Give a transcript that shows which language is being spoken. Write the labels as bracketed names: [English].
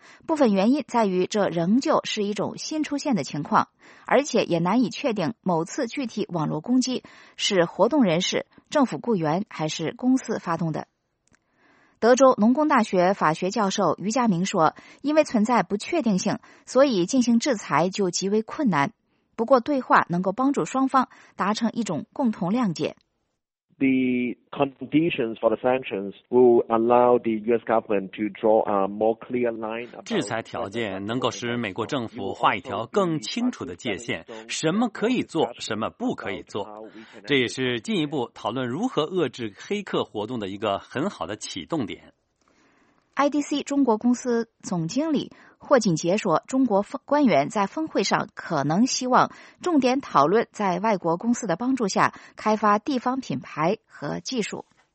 [Chinese] 部分原因在于这仍旧是一种新出现的情况，而且也难以确定某次具体网络攻击是活动人士、政府雇员还是公司发动的。德州农工大学法学教授于佳明说，因为存在不确定性，所以进行制裁就极为困难。不过对话能够帮助双方达成一种共同谅解。 [English] The conditions for the sanctions will allow the U.S. government to draw a more clear line. [Chinese] 制裁条件能够使美国政府画一条更清楚的界限，什么可以做，什么不可以做。这也是进一步讨论如何遏制黑客活动的一个很好的启动点。 IDC 中国公司总经理霍锦杰说，中国官员在峰会上可能希望重点讨论在外国公司的帮助下开发地方品牌和技术。